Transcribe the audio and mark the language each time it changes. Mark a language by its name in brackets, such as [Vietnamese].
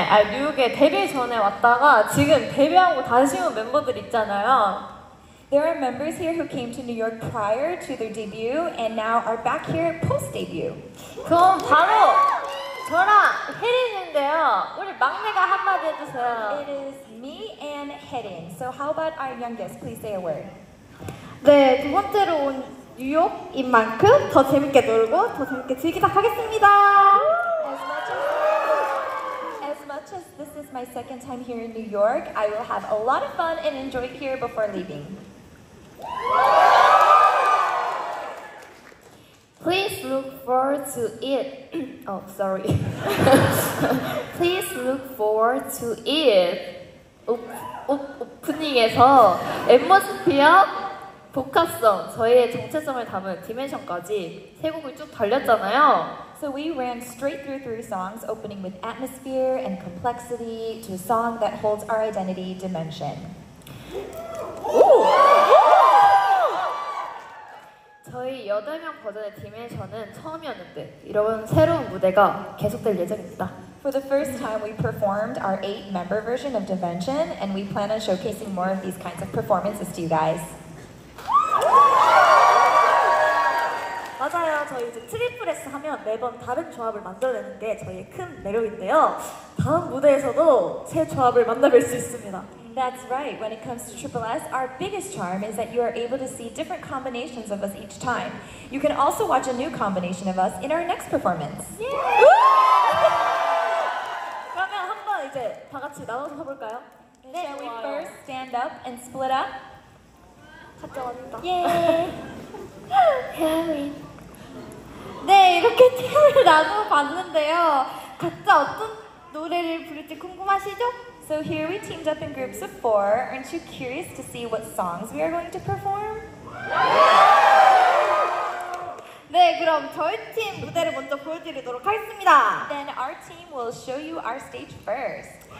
[Korean] 뉴욕에 데뷔 전에 왔다가 지금 데뷔하고 다시 온 멤버들 있잖아요. [English] There are members here who came to New York prior to their debut and now are back here post-debut. [Korean] 그럼 바로 저랑 혜린인데요. 우리 막내가 한마디 해주세요. [English] It is me and Hedin. So how about our youngest? Please say a word. [Korean] 네, 두 번째로 온 뉴욕인 만큼 더 재밌게 놀고 더 재밌게 즐기다 하겠습니다. [English] As much as this is my second time here in New York, I will have a lot of fun and enjoy here before leaving. Please look forward to it. Oh, sorry. Please look forward to it. [Korean] 오프닝에서 앱머스피어 복합성, 저희의 정체성을 담은 디멘션까지 세 곡을 쭉 달렸잖아요. [English] So we ran straight through three songs, opening with atmosphere and complexity to a song that holds our identity dimension. Ooh. [Korean] 저희 8명 버전의 디멘션은 처음이었는데 이런 새로운 무대가 계속될 예정입니다. [English] For the first time, we performed our 8-member version of Dimension, and we plan on showcasing more of these kinds of performances to you guys. [Korean] 맞아요. 저희 이제 트리플S 하면 매번 다른 조합을 만들어내는 게 저희의 큰 매력인데요. 다음 무대에서도 새 조합을 만나뵐 수 있습니다. [English] That's right. When it comes to tripleS, our biggest charm is that you are able to see different combinations of us each time. You can also watch a new combination of us in our next performance. Yay! [Korean] 그러면 한번 이제 다 같이 나눠서 해볼까요? [English] 네, shall we first stand up and split up? 갔다 왔다. 예. 해리. [Korean] 네, 이렇게 팀을 나누어 봤는데요. 각자 어떤 노래를 부를지 궁금하시죠? [English] So here we teamed up in groups of four. Aren't you curious to see what songs we are going to perform? [Korean] 그럼 저희 팀 무대를 먼저 보여드리도록 하겠습니다. Then our team will show you our stage first.